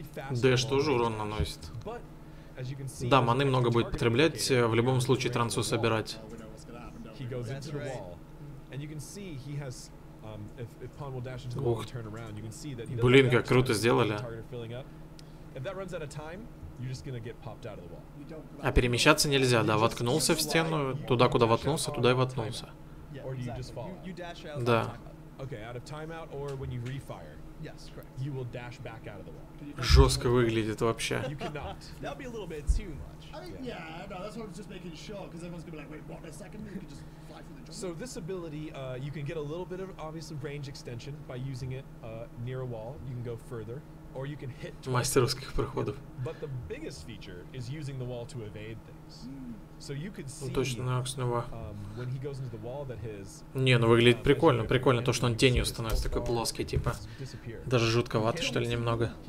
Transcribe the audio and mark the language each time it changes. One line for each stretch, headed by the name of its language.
Russian: Дэш тоже урон наносит. Да, маны много будет потреблять, в любом случае трансу собирать.
English: He goes into the wall, and you can see he has. If Pawn will dash into the wall and turn around, you can see that.
Russian: Блин, как круто сделали.
English: If that runs out of time, you're just gonna get popped out of the wall.
Russian: А перемещаться нельзя, да? Воткнулся в стену, туда, куда воткнулся, туда и воткнулся.
English: Or do you just fall out? You dash out.
Russian: Да.
English: Okay, out of timeout or when you refire. Yes, correct. You will dash back out of the wall.
Russian: Жестко выглядит вообще.
English: You cannot. That'll be a little bit too much. I mean, yeah, no, that's what I was just making sure, because everyone's gonna be like, wait, what, a second? You can just fly through the jungle. So this ability, you can get a little bit of, obviously, range extension by using it near a wall. You can go further, or you can hit twice.
Russian: Мастеровских проходов.
English: But the biggest feature is using the wall to evade things. So you could see,
Russian: ну, точно, Нокс, ну,
English: when he goes into the wall, that his...
Russian: Не, ну выглядит прикольно. Прикольно то, что он тенью становится, такой плоский, типа. Даже жутковато, что ли, немного.